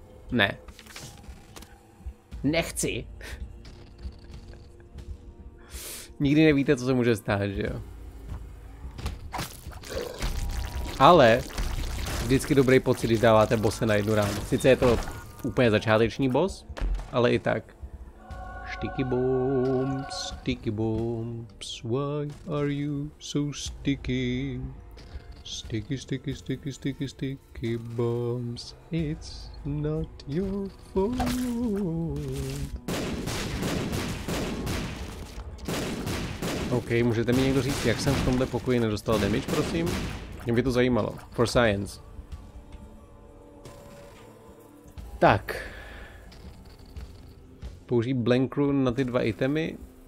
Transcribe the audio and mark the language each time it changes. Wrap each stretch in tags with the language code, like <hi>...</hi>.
<cs>Ne. Nechci! Nikdy nevíte, co se může stát, že jo? Ale vždycky dobrý pocit, když dáváte bose na jednu ránu. Sice je to úplně začáteční boss, ale i tak.</cs> <en>Sticky bombs, sticky bombs, why are you so sticky? Sticky, sticky, sticky, sticky, sticky bombs, it's not your fault.</en> <cs>OK, můžete mi někdo říct, jak jsem v tomhle pokoji nedostal damage, prosím? Mě by to zajímalo.</cs> <en>For science.</en> <cs>Tak. Použij blank rune na ty dva itemy.</cs>